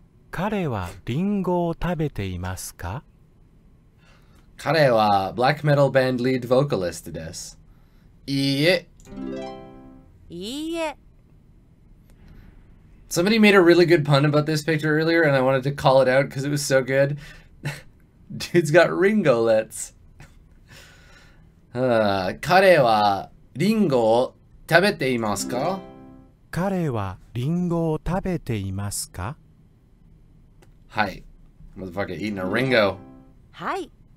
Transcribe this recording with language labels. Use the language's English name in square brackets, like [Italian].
[Japanese] 彼はリンゴを食べていますか？彼はブラックメタルバンドリードボーカリストです。いいえ。いいえ。 [English] Somebody made a really good pun about this picture earlier and I wanted to call it out because it was so good. Dude's got ringolets. [Japanese] 彼はリンゴを食べていますか？彼はリンゴを食べていますか？はい。 [English] Motherfucker eating a ringo. [Japanese] はい。